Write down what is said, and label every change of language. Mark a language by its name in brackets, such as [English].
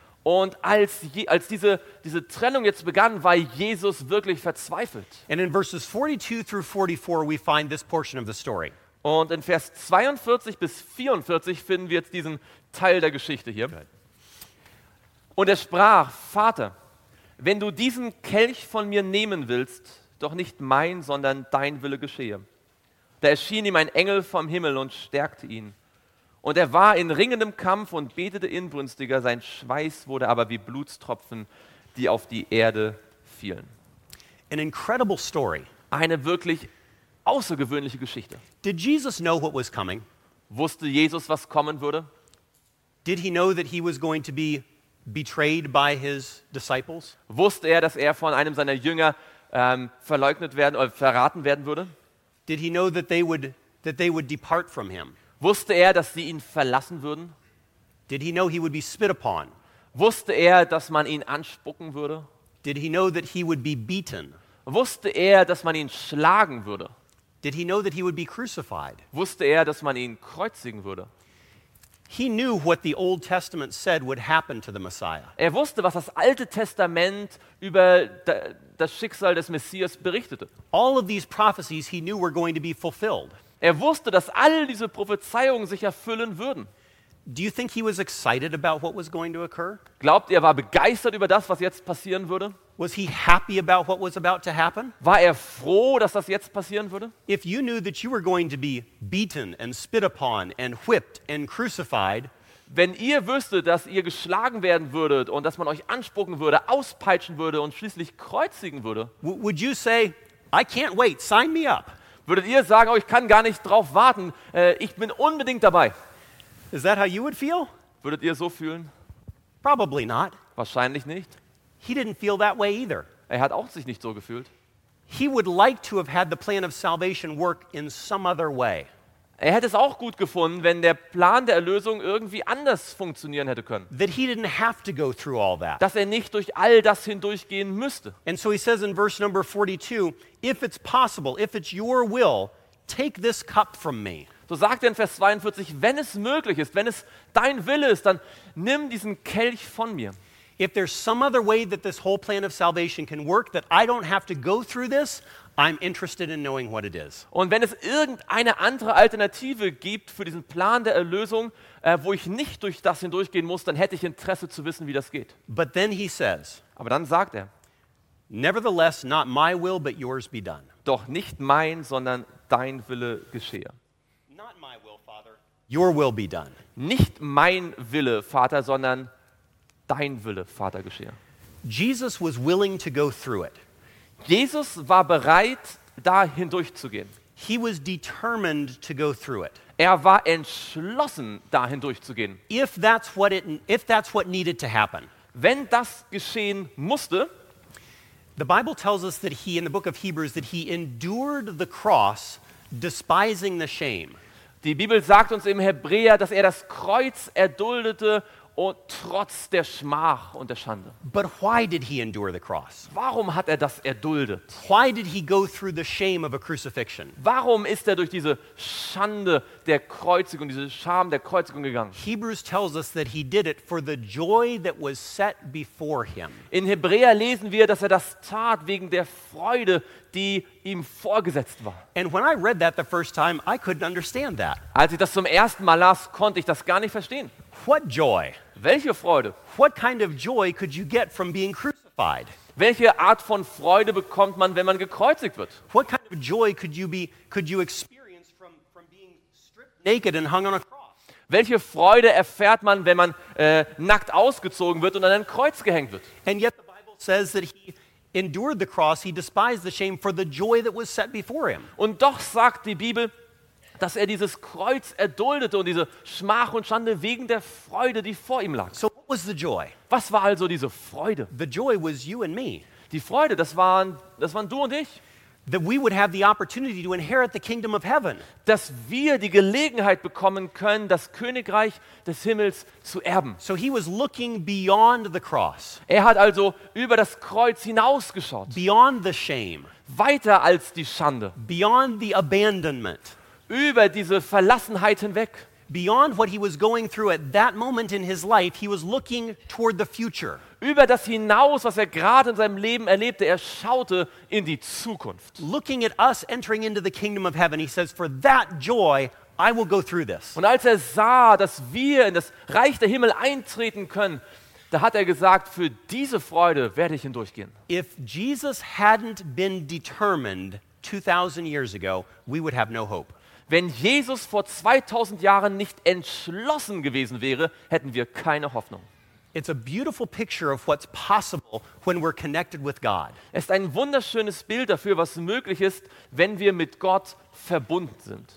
[German] Und als diese Trennung jetzt begann, war Jesus wirklich verzweifelt. [English] And in verses 42 through 44 we find this portion of the story. [German] Und in Vers 42 bis 44 finden wir jetzt diesen Teil der Geschichte hier. [English] Good. [German] Und er sprach: Vater, wenn du diesen Kelch von mir nehmen willst, doch nicht mein, sondern dein Wille geschehe. Da erschien ihm ein Engel vom Himmel und stärkte ihn. Und er war in ringendem Kampf und betete inbrünstiger, sein Schweiß wurde aber wie Blutstropfen, die auf die Erde fielen. [English] An incredible story. [German] Eine wirklich außergewöhnliche Geschichte. [English] Did Jesus know what was coming? [German] Wusste Jesus, was kommen würde? [English] Did he know that he was going to be betrayed by his disciples? [German] Wusste er, dass er von einem seiner Jünger verleugnet werden oder verraten werden würde? [English] Did he know that they would depart from him? [German] Wusste er, dass sie ihn verlassen würden? [English] Did he know he would be spit upon? [German] Wusste er, dass man ihn anspucken würde? [English] Did he know that he would be beaten? [German] Wusste er, dass man ihn schlagen würde? [English] Did he know that he would be crucified? [German] Wusste er, dass man ihn kreuzigen würde? [English] He knew what the Old Testament said would happen to the Messiah. [German] Er wusste, was das Alte Testament über das Schicksal des Messias berichtete. [English] All of these prophecies he knew were going to be fulfilled. [German] Er wusste, dass all diese Prophezeiungen sich erfüllen würden. [English] Do you think he was excited about what was going to occur? [German] Glaubt ihr, er war begeistert über das, was jetzt passieren würde? [English] Was he happy about what was about to happen? [German] War er froh, dass das jetzt passieren würde? [English] If you knew that you were going to be beaten and spit upon and whipped and crucified, [German] wenn ihr wüsstet, dass ihr geschlagen werden würdet und dass man euch anspucken würde, auspeitschen würde und schließlich kreuzigen würde, [English] would you say, I can't wait, sign me up? [German] Würdet ihr sagen, oh, ich kann gar nicht drauf warten, ich bin unbedingt dabei? [English] Is that how you would feel? [German] Würdet ihr so fühlen? [English] Probably not. [German] Wahrscheinlich nicht. [English] He didn't feel that way either. [German] Er hat auch sich nicht so gefühlt. [English] He would like to have had the plan of salvation work in some other way. [German] Er hätte es auch gut gefunden, wenn der Plan der Erlösung irgendwie anders funktionieren hätte können. [English] That he didn't have to go through all that. [German] Dass er nicht durch all das hindurchgehen müsste. [English] And so he says in verse number 42, if it's possible, if it's your will, take this cup from me. [German] So sagt er in Vers 42, wenn es möglich ist, wenn es dein Wille ist, dann nimm diesen Kelch von mir. [English] If there's some other way that this whole plan of salvation can work, that I don't have to go through this, I'm interested in knowing what it is. [German] Und wenn es irgendeine andere Alternative gibt für diesen Plan der Erlösung, wo ich nicht durch das hindurchgehen muss, dann hätte ich Interesse zu wissen, wie das geht. [English] But then he says, [German] aber dann sagt er, [English] nevertheless, not my will, but yours be done. [German] Doch nicht mein, sondern dein Wille geschehe. [English] Not my will, Father. Your will be done. [German] Nicht mein Wille, Vater, sondern dein Wille, Vater, geschehe. [English] Jesus was willing to go through it. [German] Jesus war bereit, da hindurchzugehen. [English] He was determined to go through it. [German] Er war entschlossen, da hindurchzugehen. [English] If that's what needed to happen. [German] Wenn das geschehen musste. [English] The Bible tells us that he, in the book of Hebrews, that he endured the cross, despising the shame. [German] Die Bibel sagt uns im Hebräer, dass er das Kreuz erduldete, und trotz der Schmach und der Schande. [English] But why did he endure the cross? [German] Warum hat er das erduldet? [English] Why did he go through the shame of a crucifixion? [German] Warum ist er durch diese Schande der Kreuzigung, diese Scham der Kreuzigung gegangen? [English] Hebrews tells us that he did it for the joy that was set before him. [German] In Hebräer lesen wir, dass er das tat wegen der Freude, die ihm vorgesetzt war. [English] And when I read that the first time, I couldn't understand that. [German] Als ich das zum ersten Mal las, konnte ich das gar nicht verstehen. [English] What joy? [German] Welche Freude? [English] What kind of joy could you get from being crucified? [German] Welche Art von Freude bekommt man, wenn man gekreuzigt wird? [English] What kind of joy could you experience from being stripped naked and hung on a cross? [German] Welche Freude erfährt man, wenn man nackt ausgezogen wird und an ein Kreuz gehängt wird? [English] And yet the Bible says that he endured the cross, he despised the shame for the joy that was set before him. [German] Und doch sagt die Bibel, dass er dieses Kreuz erduldete und diese Schmach und Schande wegen der Freude, die vor ihm lag. [English] So what was the joy? [German] Was war also diese Freude? [English] The joy was you and me. [German] Die Freude, das waren du und ich. [English] That we would have the opportunity to inherit the kingdom of heaven. [German] Dass wir die Gelegenheit bekommen können, das Königreich des Himmels zu erben. [English] So he was looking beyond the cross. [German] Er hat also über das Kreuz hinausgeschaut. [English] Beyond the shame. [German] Weiter als die Schande. [English] Beyond the abandonment. [German] Über diese Verlassenheit hinweg. [English] Beyond what he was going through at that moment in his life, he was looking toward the future. [German] Über das hinaus, was er gerade in seinem Leben erlebte, er schaute in die Zukunft. [English] Looking at us entering into the kingdom of heaven, he says, for that joy, I will go through this. [German] Und als er sah, dass wir in das Reich der Himmel eintreten können, da hat er gesagt, für diese Freude werde ich hindurchgehen. [English] If Jesus hadn't been determined 2000 years ago, we would have no hope. [German] Wenn Jesus vor 2000 Jahren nicht entschlossen gewesen wäre, hätten wir keine Hoffnung. [English] It's a beautiful picture of what's possible when we're connected with God. [German] Es ist ein wunderschönes Bild dafür, was möglich ist, wenn wir mit Gott verbunden sind.